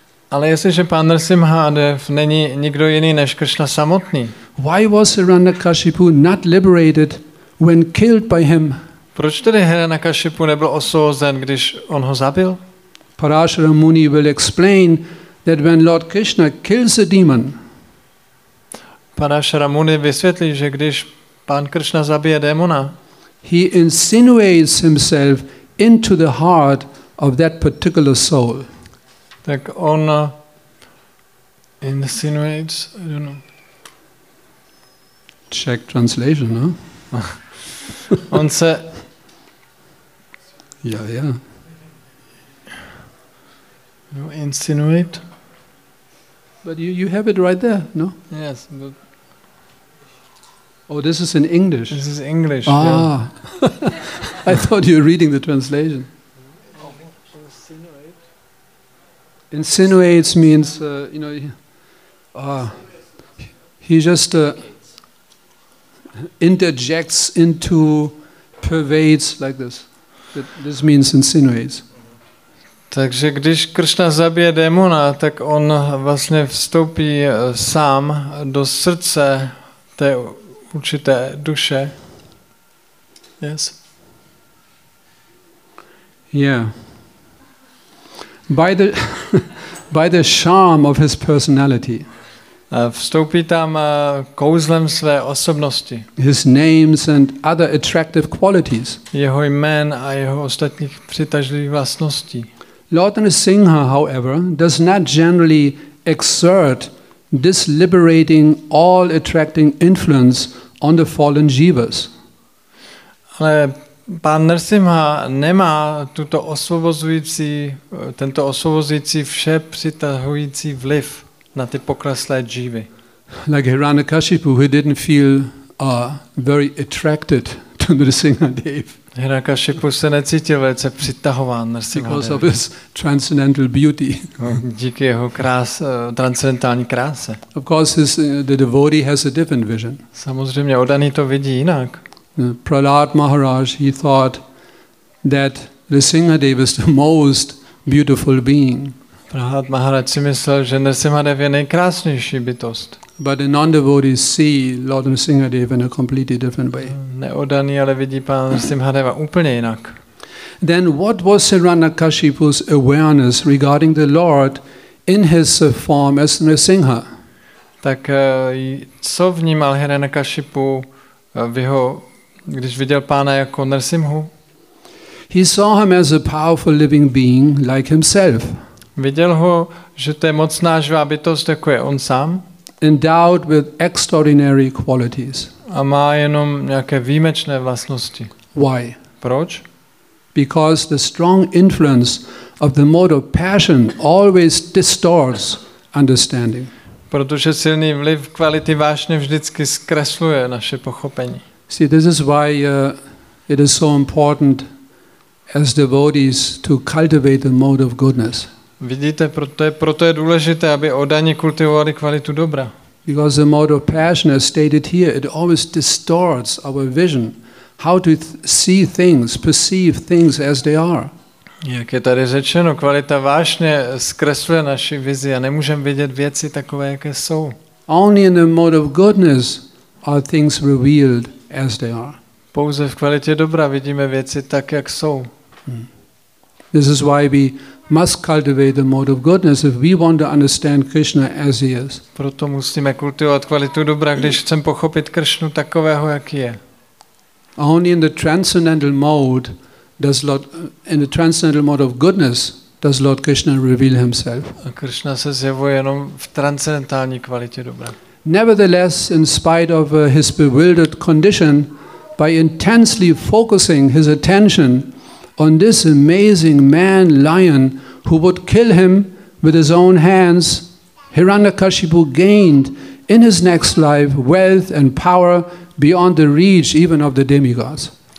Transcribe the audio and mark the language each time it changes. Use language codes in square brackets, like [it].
[cs] Ale jestliže pán Nrsimhadev není nikdo jiný než Krishna samotný. [en] Why was Hiranyakashipu not liberated when killed by him? [cs] Proč tedy Hiranyakashipu nebyl osvobozen, když on ho zabil? [en] Parashara Muni will explain that when Lord Krishna kills a demon. [cs] Parashara Muni vysvětlí, že když pán Krishna zabije démona, [en] he insinuates himself into the heart of that particular soul. [cs] Tak on [en] insinuates, I don't know. Czech translation, no? [cs] On se... [en] Yeah, yeah. No, insinuate. But you have it right there, no? Yes, but... Oh, this is in English. This is English, ah. Yeah. I thought you were reading the translation. Insinuates means, you know, he just interjects into, pervades like this. But this means insinuates. [cs] Takže když Krishna zabije démona, tak on vlastně vstoupí sám do srdce té určité duše. [en] Yes. Yeah. By the charm of his personality. [cs] Vstoupí tam kouzlem své osobnosti. [en] His names and other attractive qualities. [cs] Jeho jmén a jeho ostatních přitažlivých vlastností. [en] Lord Nrisingha, however, does not generally exert this liberating, all-attracting influence on the fallen jivas. [cs] Ale pán Nrsimha nemá tuto osvobozující, tento osvobozující vše přitahující vliv na ty pokleslé džívy. [en] Like Hiranyakashipu, who didn't feel very attracted to Nrsimha Dev. [cs] Hiranyakashipu se necítil velice přitahován Nrsimha [en] Dev. Because of his transcendental beauty. [cs] Díky jeho transcendentální kráse. [en] Of course, the devotee has a different vision. [cs] Samozřejmě, oddaný to vidí jinak. [en] Prahlad Maharaj, he thought that Nrsimha Dev is the most beautiful being. [cs] Prahlad Maharaj si myslel, že Nrsimha Dev je nejkrásnější bytost. [en] But the non-devotees see Lord Nrsimha Dev in a completely different way. [cs] Neodaný, ale vidí pán Nrsimha Deva úplně jinak. [en] Then what was Hiranyakashipu's awareness regarding the Lord in his form as Nrsimha? [cs] Tak co vnímal Hiranyakashipu v jeho, když viděl pána jako Nrsimhu? [en] He saw him as a powerful living being like himself. [cs] Viděl ho, že to je mocná živá bytost, jako je on sám. [en] Endowed with extraordinary qualities. [cs] A má jenom nějaké výjimečné vlastnosti. [en] Why? [cs] Proč? [en] Because the strong influence of the mode of passion always distorts understanding. [cs] Protože silný vliv kvality vášně vždycky zkresluje naše pochopení. [en] See, this is why it is so important as devotees to cultivate the mode of goodness. [cs] Vidíte, proto je důležité, aby oddaní kultivovali kvalitu dobra. [en] Because the mode of passion, as stated here, it always distorts our vision, how to see things, perceive things as they are. [cs] Jak je tady řečeno, kvalita vášně zkresluje naši vizi a nemůžeme vidět věci takové, jaké jsou. [en] Only in the mode of goodness are things revealed as they are. [cs] Pouze v kvalitě dobra vidíme věci tak, jak jsou. [en] This is why we must cultivate the mode of goodness if we want to understand Krishna as he is. [cs] Proto musíme kultivovat kvalitu dobra, když chceme pochopit Krishnu takového, jaký je. [en] Only in the transcendental mode does Lord, in the transcendental mode of goodness, does Lord Krishna reveal himself. [cs] A Krishna se zjevuje jenom v transcendentální kvalitě dobra. [en] Nevertheless, in spite of his bewildered condition, by intensely focusing his attention on this amazing man lion who would kill him with his own hands, Hiranyakashipu gained in his next life wealth and power beyond the reach even of the demigods.